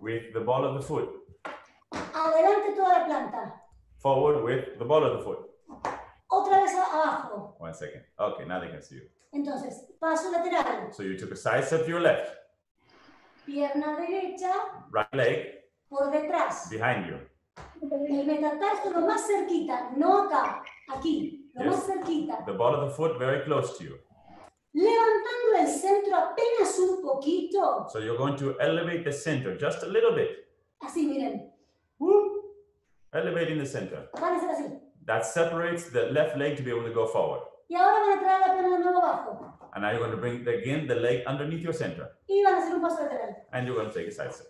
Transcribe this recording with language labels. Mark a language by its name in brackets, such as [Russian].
[English] With the ball of the foot. [Spanish] Adelante toda la planta. [English] Forward with the ball of the foot. [Spanish] Otra vez abajo. [English] One second. Okay, now they can see you. [Spanish] Entonces, paso lateral. [English] So you took a side step to your left. [Spanish] Pierna derecha. [English] Right leg. [Spanish] Por detrás. [English] Behind you. [Spanish] El metatarso lo más cerquita, no acá, aquí, lo más cerquita. [English] The ball of the foot very close to you. [Spanish] Levantando el centro apenas un poquito. [English] So you're going to elevate the center just a little bit. [Spanish] Así, miren. [English] Elevating the center. [Spanish] Van a ser así. [English] That separates the left leg to be able to go forward. [Spanish] Y ahora van a traer la pierna de nuevo abajo. [English] And now you're going to bring again the leg underneath your center. [Spanish] Y van a hacer un paso lateral. [English] And you're going to take a side step.